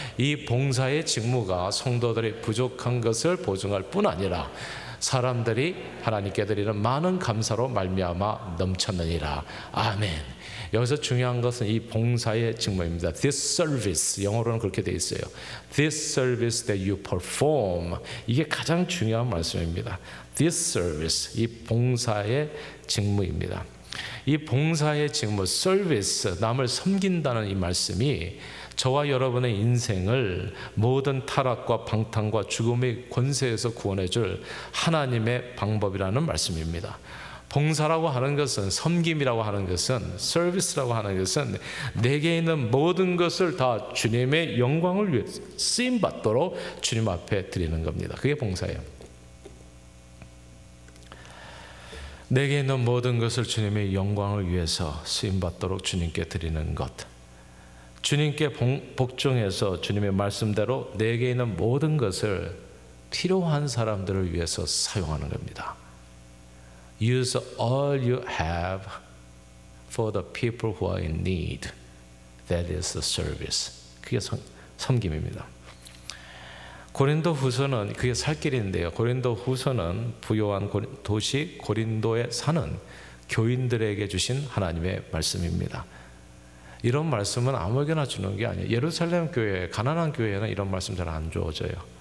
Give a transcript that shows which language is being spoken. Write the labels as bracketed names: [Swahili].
[Korean] 이 봉사의 직무가 성도들의 부족한 것을 보증할 뿐 아니라 사람들이 하나님께 드리는 많은 감사로 말미암아 넘쳤느니라. 아멘. 여기서 중요한 것은 이 봉사의 직무입니다. [English] This service, [Korean] 영어로는 그렇게 되어 있어요. [English] This service that you perform, [Korean] 이게 가장 중요한 말씀입니다. [English] This service, [Korean] 이 봉사의 직무입니다. 이 봉사의 직무, service, 남을 섬긴다는 이 말씀이 저와 여러분의 인생을 모든 타락과 방탕과 죽음의 권세에서 구원해 줄 하나님의 방법이라는 말씀입니다. 봉사라고 하는 것은 섬김이라고 하는 것은 서비스라고 하는 것은 내게 있는 모든 것을 다 주님의 영광을 위해 쓰임받도록 주님 앞에 드리는 겁니다. 그게 봉사예요. 내게 있는 모든 것을 주님의 영광을 위해서 쓰임받도록 주님께 드리는 것. 주님께 복종해서 주님의 말씀대로 내게 있는 모든 것을 필요한 사람들을 위해서 사용하는 겁니다. [English] Use all you have for the people who are in need. That is the service. [Korean] 그게 섬김입니다. 고린도 후서는 그게 살 길인데요. 고린도 후서는 부요한 도시 고린도에 사는 교인들에게 주신 하나님의 말씀입니다. 이런 말씀은 아무에게나 주는 게 아니에요. 예루살렘 교회, 가난한 교회에는 이런 말씀 잘 안 주어져요.